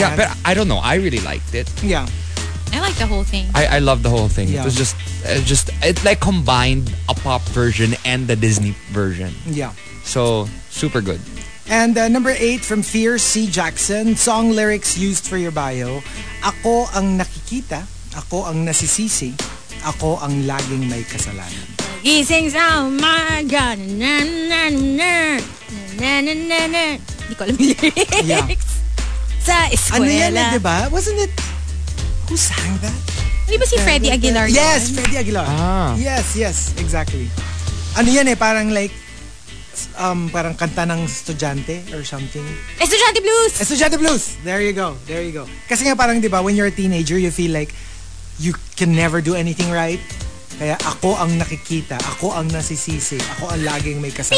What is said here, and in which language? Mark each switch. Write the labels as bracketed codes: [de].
[en] Yeah, but I don't know. I really liked it. Yeah. I like the whole thing. I love the whole thing. Yeah. It was just it like combined a pop version and the Disney version. Yeah. So, super good. And number 8 from Fear C. Jackson, song lyrics used for your bio. [tl] Ako ang nakikita, ako ang nasisisi, ako ang laging may kasalanan. [en] He sings, oh my God, na na na na na na na. [tl] Hindi ko alam yung lyrics. Yeah. Sa eskwela. Ano yan eh, diba? [en] Wasn't it? Who sang that? [tl] Hindi ba si Freddie Aguilar? [en] Yes, Freddie Aguilar. Yes, yes, exactly. [tl] Ano yan eh, parang like, parang kanta ng estudyante or something. Estudyante blues! Estudyante blues! [en] There you go, there you go. [tl] Kasi nga parang diba, [en] when you're a teenager, you feel like you can never do anything right. [tl] Kaya ako ang nakikita, ako ang nasisisi, ako ang laging may kasalanan.